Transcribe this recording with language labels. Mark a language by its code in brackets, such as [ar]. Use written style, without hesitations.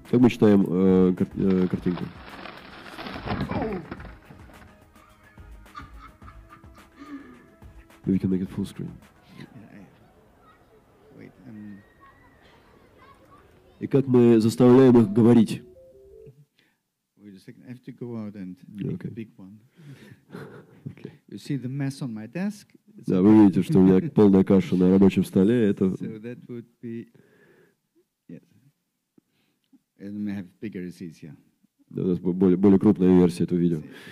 [ru] Как мы читаем картинку? [en] Maybe we can make it full screen. Wait, [ru] И как мы заставляем их говорить? [en] Wait a second, I have to go out and make okay. a big one. Okay. You see the mess on my desk? [ru] Да, вы видите, что у меня полная каша на рабочем столе. Это... [en] So that would be... And we have bigger seats, yeah. [ru] Да, у нас более крупная версия этого видео.